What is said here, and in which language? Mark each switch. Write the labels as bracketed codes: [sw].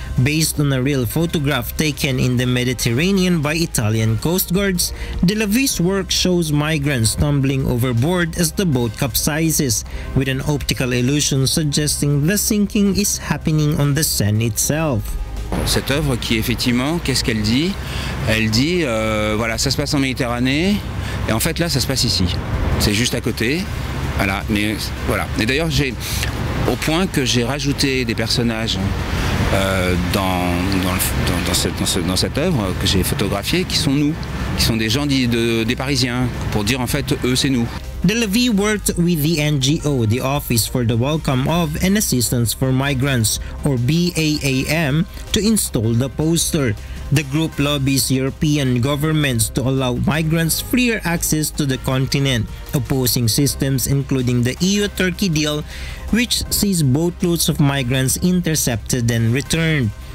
[en] Based on a real photograph taken in the Mediterranean by Italian coast guards, Delavie's work shows migrants tumbling overboard as the boat capsizes, with an optical illusion suggesting the sinking is happening on the Seine itself. [fr] Cette œuvre qui effectivement, qu'est-ce qu'elle dit? Elle dit, voilà, ça se passe en Méditerranée, et en fait là, ça se passe ici. C'est juste à côté, voilà, mais voilà. Et d'ailleurs, j'ai rajouté des personnages dans cette œuvre que j'ai photographiée, qui sont nous, qui sont des gens des Parisiens, pour dire en fait, eux, c'est nous. [en] Delavie worked with the NGO, the Office for the Welcome of and Assistance for Migrants, or BAAM, to install the poster. The group lobbies European governments to allow migrants freer access to the continent, opposing systems including the EU-Turkey deal, which sees boatloads of migrants intercepted and returned.